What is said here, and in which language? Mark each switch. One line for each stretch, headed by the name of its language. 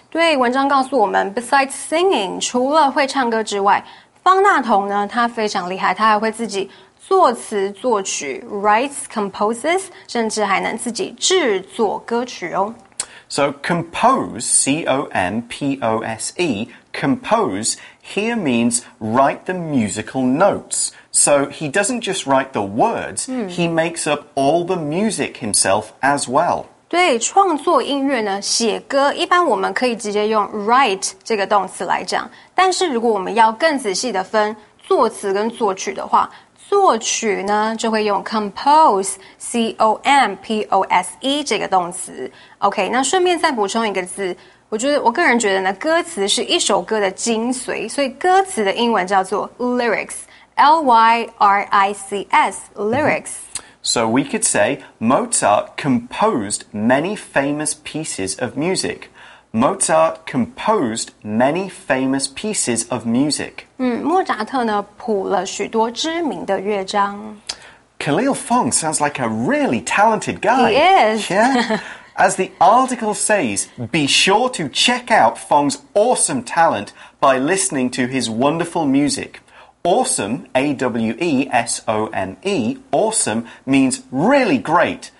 Chinese: 对文章告诉我们
English: besides singing,
Chinese: 除了会唱歌之外方大同呢他非常厉害他还会自己作词作曲
English: writes, composes,
Chinese: 甚至还能自己制作歌曲哦。
English: So compose, C-O-M-P-O-S-E, compose, here means write the musical notes. So he doesn't just write the words, he makes up all the music himself as well.
Chinese: 对,创作音乐呢,写歌,一般我们可以直接用 write 这个动词来讲。但是如果我们要更仔细的分作词跟作曲的话作曲呢就会用 compose, C-O-M-P-O-S-E 这个动词。 OK, 那顺便再补充一个字。我个人觉得呢歌词是一首歌的精髓所以歌词的英文叫做 lyrics, L-Y-R-I-C-S, lyrics.、Mm-hmm.
English: So we could say Mozart composed many famous pieces of music. Mozart composed many famous pieces of music.
Chinese: 莫扎特呢谱了许多知名的乐章。
English: Khalil Fong sounds like a really talented guy. He is. Yeah. As the article says, be sure to check out Fong's awesome talent by listening to his wonderful music. Awesome, A-W-E-S-O-M-E, awesome means really great.